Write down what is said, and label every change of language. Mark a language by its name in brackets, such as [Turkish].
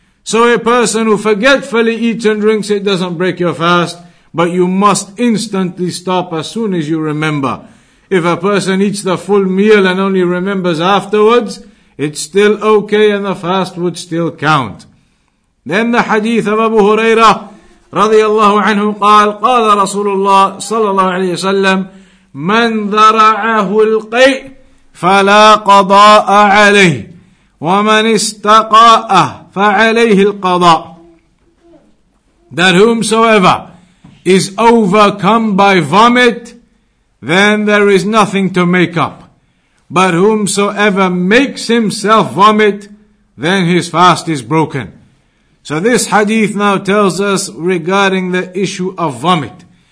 [English] So a person who forgetfully eats and drinks, it doesn't break your fast. But you must instantly stop as soon as you remember. If a person eats the full meal and only remembers afterwards, it's still okay and the fast would still count. Then the hadith of [Arabic] Abu Hurairah, radiallahu anhu, قال, قال رسول الله صلى الله عليه وسلم, من ذرعه القيء فلا قضاء عليه, ومن استقاء فعليه القضاء. [English] That whomsoever is overcome by vomit, then there is nothing to make up. But whomsoever makes himself vomit, then his fast is broken. So this hadith now tells us regarding the issue of vomit.